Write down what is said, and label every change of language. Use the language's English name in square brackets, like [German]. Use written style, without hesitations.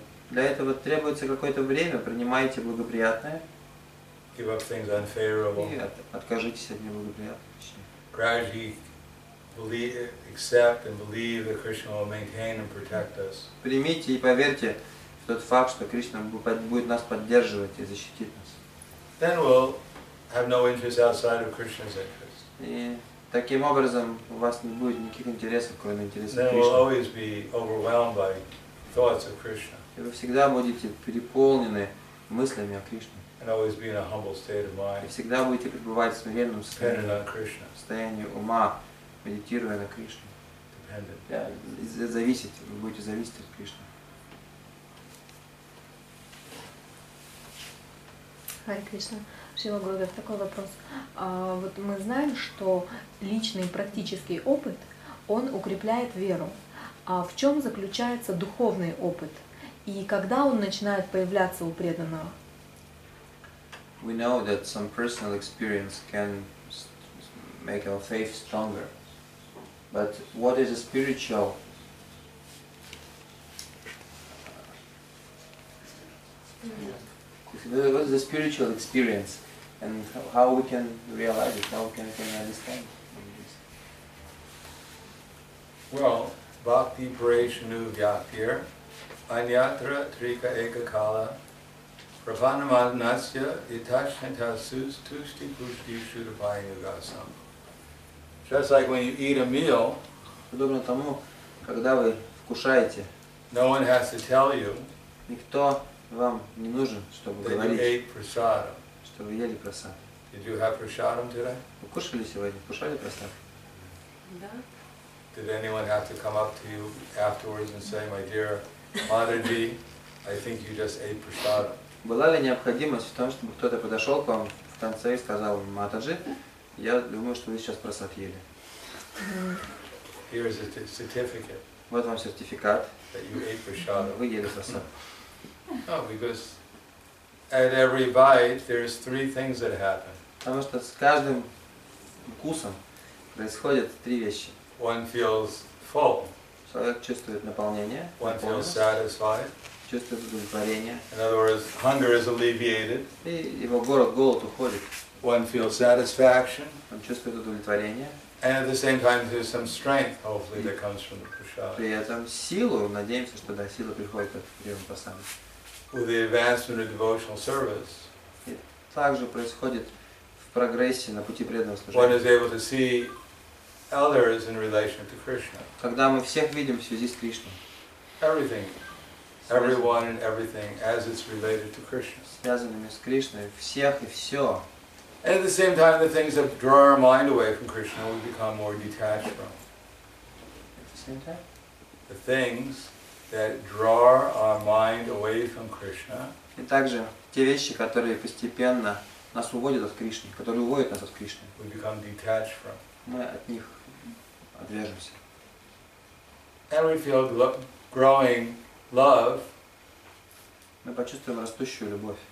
[Russian] Для этого требуется какое-то время. Принимайте благоприятное. [English] Give up things unfavorable. [Russian] И откажитесь от неблагоприятных вещей. [English] Gradually accept and believe that Krishna will maintain and protect us. [Russian] Примите и поверьте в тот факт, что Кришна будет нас поддерживать и защитить нас. [English] Then we'll have no interest outside of Krishna's interest. [Russian] И таким образом у вас не будет никаких интересов, кроме интересов Кришны. [English] Then we'll always be overwhelmed by thoughts of Krishna. [Russian] И вы всегда будете переполнены мыслями о Кришне. [English] And always be in a humble state of mind. [Russian] И всегда будете пребывать в смиренном состоянии ума, медитируя на Кришне. [English] Dependent. [Russian] Зависеть, вы будете зависеть от Кришны. Хари Кришна, Шрила Гурудев, такой вопрос. Вот мы знаем, что личный практический опыт, он укрепляет веру. А в чем заключается духовный опыт? И когда он начинает появляться у преданного? [English] We know that some personal experience can make our faith stronger. But what is a spiritual What is the spiritual experience, and how we can realize it? How can we understand this? [Sanskrit] Well, bhakti parishnu vyaktir anyatra trika eka kala pravanamadnasya itashantasus tushti pushti shudapayugasam. [English] Just like when you eat a meal, [Russian] подобно тому, когда вы вкушаете. [English] No one has to tell you. [Russian] Никто вам не нужен, чтобы говорить, что вы ели прасад. [English] Did you have prasadam today? [Russian] Вы кушали сегодня? Кушали прасад? Да. [English] Did anyone have to come up to you afterwards and say, my dear Mataji, I think you just ate prasadam? [Russian] Была ли необходимость в том, чтобы кто-то подошел к вам в конце и сказал, Матаджи, я думаю, что вы сейчас прасад ели. [English] Here is a certificate. [Russian] Вот вам сертификат. [English] That you ate prasadam. [Russian] Вы ели прасад. [English] No, because at every bite there's three things that happen. [Russian] Потому что с каждым вкусом происходят три вещи. [English] One feels full. [Russian] Человек чувствует наполнение. [English] One feels satisfied. [Russian] Чувствует удовлетворение. [English] In other words, hunger is alleviated. [Russian] И его голод уходит. [English] One feels satisfaction. [Russian] Он чувствует удовлетворение. [English] And at the same time there's some strength, hopefully, that comes from the prasad. [Russian] При этом силу, надеемся, что да, сила приходит от приема прасада. [English] With the advancement of devotional service, [Russian] также происходит в прогрессе на пути преданного служения. [English] One is able to see others in relation to Krishna. [Russian] Когда мы всех видим в связи с Кришной. [English] Everything, everyone and everything as it's related to Krishna. [Russian] Связанными с Кришной, всех и все. [English] And at the same time, the things that draw our mind away from Krishna, we become more detached from. At the same time, the things that draw our mind away from Krishna. [Russian] И также те вещи, которые постепенно нас уводят от Кришны, которые уводят нас от Кришны. [English] We become detached from. [Russian] Мы от них отвержимся. [English] And we feel growing love. [Russian] Мы почувствуем растущую любовь.